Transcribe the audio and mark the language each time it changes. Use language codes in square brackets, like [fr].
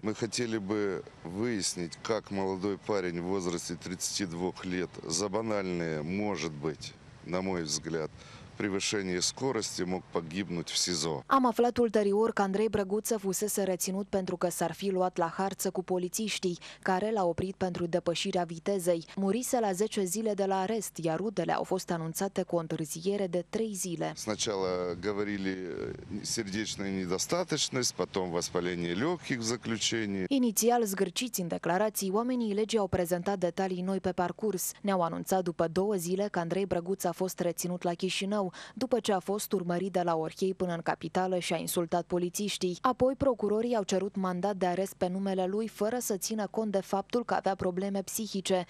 [ru] Мы хотели бы выяснить, как молодой парень в возрасте 32 лет за банальное, может быть, на мой взгляд, превышение скорости мог погибнуть в СИЗО. [ro] Am aflat ulterior că Andrei Brăguță fusese reținut pentru că s-ar fi luat la harță cu polițiștii, care l-au oprit pentru depășirea vitezei. Murise la 10 zile de la arest, iar rudele au fost anunțate cu o întârziere de 3 zile. [ru] Сначала говорили сердечная недостаточность, потом воспаление легких в заключении. [ro] Inițial zgârciți în declarații, oamenii legii au prezentat detalii noi pe parcurs. Ne-au anunțat după 2 zile că Andrei Brăguță a fost reținut la Chișinău, după ce a fost urmărit de la Orhei până în capitală și a insultat polițiștii. Apoi, procurorii au cerut mandat de arest pe numele lui, fără să țină cont de faptul că avea probleme psihice.